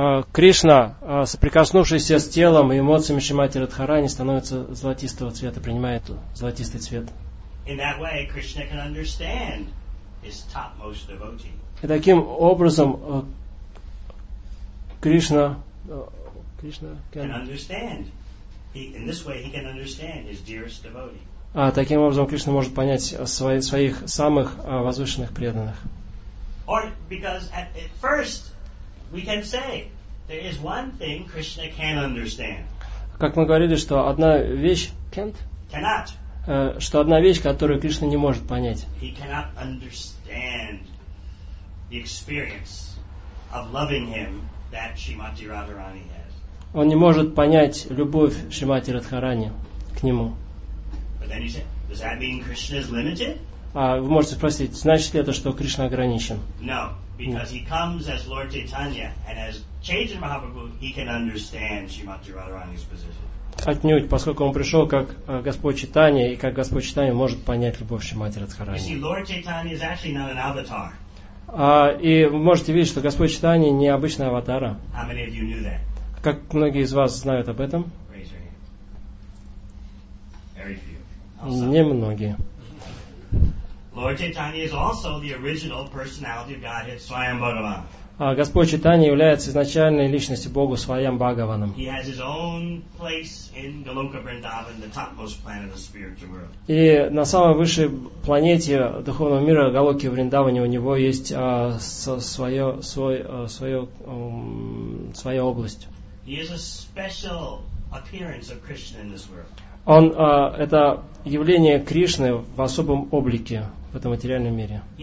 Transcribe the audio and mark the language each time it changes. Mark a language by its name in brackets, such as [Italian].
[Russian] Кришна, соприкоснувшись с телом и эмоциями Шримати Радхарани, становится золотистого цвета, принимает золотистый цвет. И таким образом Кришна может понять своих самых возвышенных преданных. [English] Or because at first we can say there is one thing Krishna can understand. [Russian] Как мы говорили, что одна вещь [English] can't, cannot. [Russian] Что одна вещь, которую Кришна не может понять. [English] He cannot understand the experience of loving him that Shrimati Radharani has. [Russian] Он не может понять любовь Шримати Радхарани к нему. [English] But then you say, does that mean Krishna is limited? [Russian] Вы можете спросить, значит ли это, что Кришна ограничен? [English] No, because he comes as Lord Chaitanya and as Chaitanya Mahaprabhu, he can understand Shrimati Radharani's position. [Russian] Отнюдь, поскольку он пришел как Господь Чайтанья, и как Господь Чайтанья может понять любовь Шримати Радхарани. [English] You see, Lord Chaitanya is actually not an avatar. [Russian] И вы можете видеть, что Господь Чайтанья не обычный аватар. [English] How many of you knew that? [Russian] Как многие из вас знают об этом? [English] Raise your hand. Very few. [Russian] Немногие. [English] Lord Chaitanya is also the original personality of Godhead Swayam Bhagavan. [Russian] Господь Чайтанья является изначальной личностью Бога Свайам Бхагаваном. [English] He has his own place in Goloka Vrindavan, the topmost planet of the spiritual world. [Russian] И на самой высшей планете духовного мира Голоки Вриндаване у него есть своя область. [English] He is a special appearance of Krishna in this world. [Russian] Он это явление Кришны в особом облике в этом материальном мире.